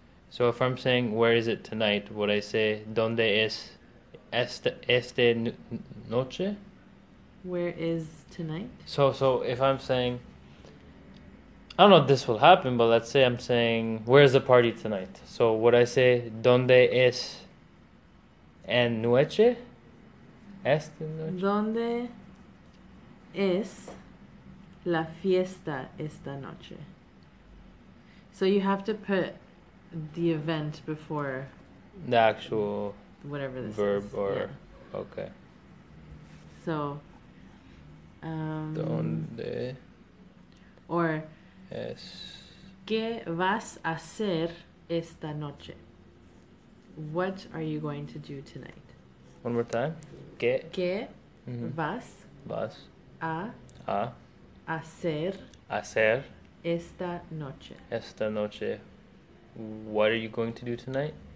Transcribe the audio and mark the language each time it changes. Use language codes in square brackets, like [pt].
[en] So if I'm saying, where is it tonight? Would I say, [es] ¿dónde es esta noche? [en] Where is tonight? So if I'm saying, I don't know if this will happen, but let's say I'm saying, where is the party tonight? So would I say, [es] ¿dónde es en noche? Esta noche. ¿Dónde es la fiesta esta noche? [en] So you have to put the event before the actual whatever this verb is. Or, yeah. Okay. So, [es] ¿dónde? [en] Or, yes. [es] ¿Qué vas a hacer esta noche? [en] What are you going to do tonight? One more time. ¿Qué? [es] ¿Qué mm-hmm. vas? Vas. A. Hacer. Hacer. Esta noche. Esta noche. [en] What are you going to do tonight?